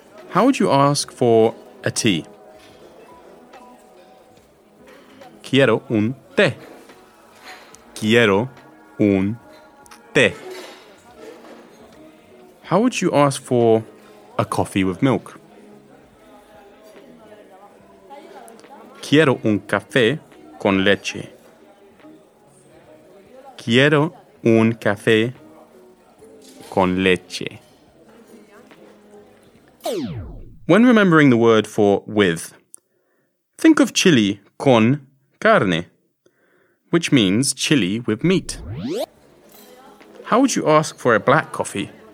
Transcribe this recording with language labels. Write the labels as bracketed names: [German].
[English] How would you ask for a tea? [Spanish] Quiero un té. Quiero un té. [English] How would you ask for a coffee with milk? [Spanish] Quiero un café con leche. Quiero un café con leche. [English] When remembering the word for with, think of chili con carne, which means chili with meat. How would you ask for a black coffee?